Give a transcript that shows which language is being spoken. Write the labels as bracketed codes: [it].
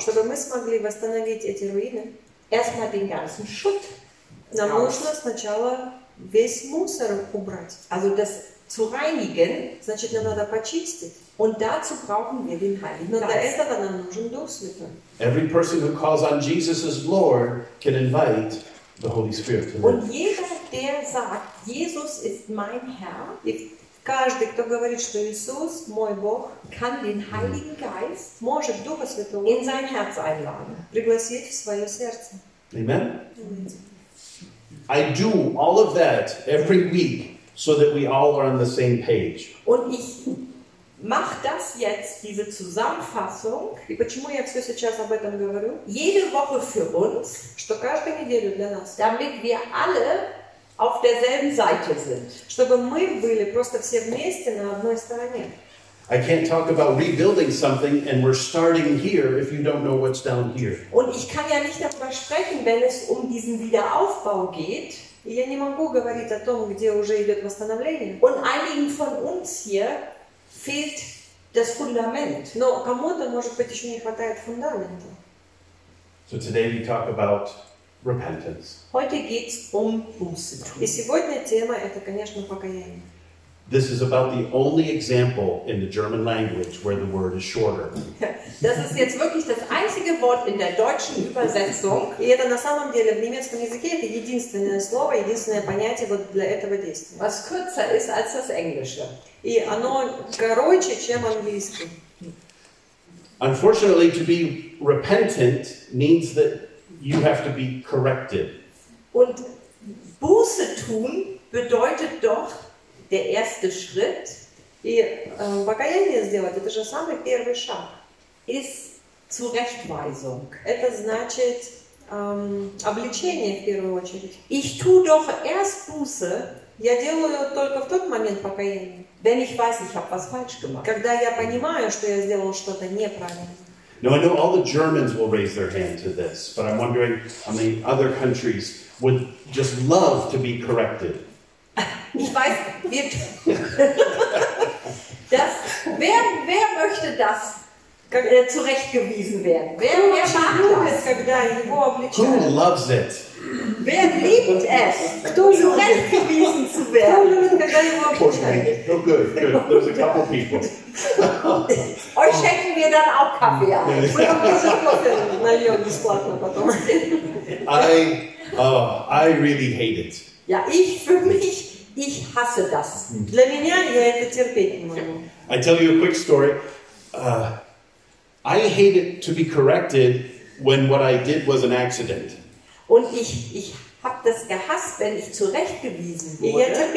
[ru] Чтобы мы смогли восстановить эти руины. [de] Erstmal den ganzen Schutt. [ru] Нам нужно сначала весь мусор убрать. [de] Also das zu reinigen, [ru] значит, нам надо почистить. [de] Und dazu brauchen wir den Heiligen Geist. [en] Every person who calls on Jesus as Lord can invite the Holy Spirit to live. [de] Und jeder, der sagt, Jesus ist mein Herr, [ru] каждый, кто говорит, что Иисус мой Бог, [de] kann den Heiligen Geist, [ru] может Духа Святого, [de] in sein Herz einladen, [ru] пригласить в свое сердце. Amen. [en] I do all of that every week so that we all are on the same page. [de] Und ich mach das jetzt, diese Zusammenfassung. [ru] И почему я все сейчас об этом говорю? [de] Jede Woche für uns, [ru] что каждую неделю для нас, [de] damit wir alle auf derselben Seite sind. [ru] Чтобы мы были просто все вместе на одной стороне. [en] I can't talk about rebuilding something and we're starting here if you don't know what's down here. [de] Und ich kann ja nicht darüber sprechen, wenn es um diesen Wiederaufbau geht. [ru] И я не могу говорить о том, где уже идет восстановление. [de] Und einigen von uns hier fehlt das Fundament. [ru] Но кому-то, может быть, еще не хватает фундамента. [en] So today we talk about repentance. [de] Heute geht's Buße tun. [ru] И сегодня тема это, конечно, покаяние. [en] This is about the only example in the German language where the word is shorter. [de] Das ist jetzt wirklich das einzige Wort in der deutschen Übersetzung. [ru] И это на самом деле в немецком языке это единственное слово, единственное понятие вот для этого действия. [de] Was kürzer ist als das Englische. [ru] И оно короче, чем английский. [en] Unfortunately, to be repentant means that you have to be corrected. [de] Und Buße tun bedeutet doch der erste Schritt, [ru] и покаяние сделать, это же самый первый шаг, [de] ist Zurechtweisung. [ru] Это значит обличение в первую очередь. [de] Ich tue doch erst Buße, [ru] я делаю только в тот момент покаяние, [de] wenn ich weiß, ich habe was falsch gemacht. [ru] Когда я понимаю, что я сделал что-то неправильно. [en] Now I know all the Germans will raise their hand to this, but I'm wondering how many other countries would just love to be corrected. [de] Ich weiß, wer möchte das zurechtgewiesen werden? Wer mag das? [en] Who loves it? [de] Wer liebt es, zurechtgewiesen zu werden? [en] Oh, okay. Oh, good. There's a couple people. [de] Euch schenken wir dann auch Kaffee an. [en] I really hate it. [de] Ja, ich für mich Ich hasse das. [ru] Для меня я это терпеть не могу. [en] I tell you a quick story. I hate it to be corrected when what I did was an accident. [de] Und ich hab das gehasst, wenn ich zurechtgewiesen wurde.